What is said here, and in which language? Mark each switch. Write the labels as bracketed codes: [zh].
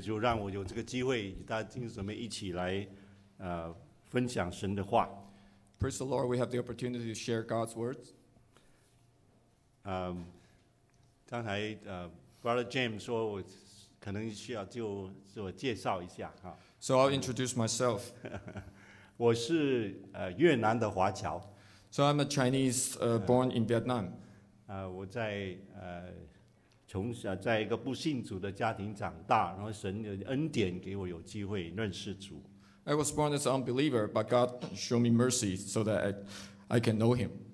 [zh] 就让我有这个机会，大家弟兄姊妹一起来，分享神的话。 [en] Praise the Lord, we have the opportunity to share God's words. [zh] 刚才Brother James 说，我可能需要就自我介绍一下哈。 [en] So I'll introduce myself. [zh] 我是越南的华侨。 [en] So I'm a Chinese born in Vietnam. [zh] 我在从小在一个不信主的家庭长大，然后神的恩典给我有机会认识主。 [en] I was born as an unbeliever, but God showed me mercy so that I can know Him.